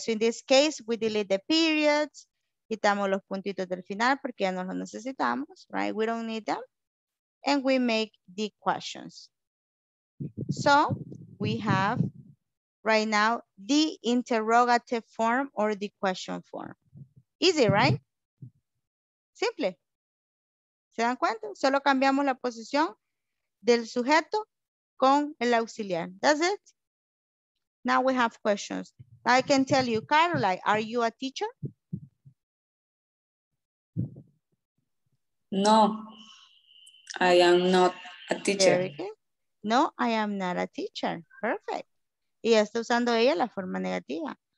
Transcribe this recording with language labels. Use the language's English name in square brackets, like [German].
[English] So in this case, we delete the periods, [Spanish] quitamos los puntitos del final porque ya no los necesitamos, [English] right? We don't need them. And we make the questions. So we have right now the interrogative form or the question form. Easy, right? Simple. [Spanish] ¿Se dan cuenta? Solo cambiamos la posición del sujeto con el auxiliar. [English] That's it. Now we have questions. I can tell you, Caroline, are you a teacher? No, I am not a teacher. No, I am not a teacher. Perfect. [Spanish] Y está usando ella la forma negativa.